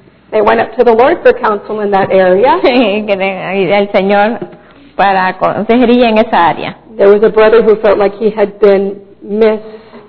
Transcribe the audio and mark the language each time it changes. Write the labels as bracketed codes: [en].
[en] They went up to the Lord for counsel in that area. [es] El Señor para consejería en esa área. [en] There was a brother who felt like he had been missed.